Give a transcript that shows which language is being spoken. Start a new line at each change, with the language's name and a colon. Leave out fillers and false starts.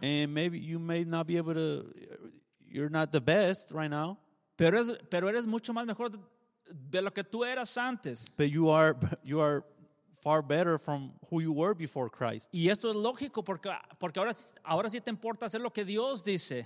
English: And maybe you may not be able to. You're not the best right now.
Spanish: Pero eres mucho más mejor de lo que tú eras antes.
English: But you are far better from who you were before Christ.
Spanish: Y esto es lógico porque ahora sí te importa hacer lo que Dios dice.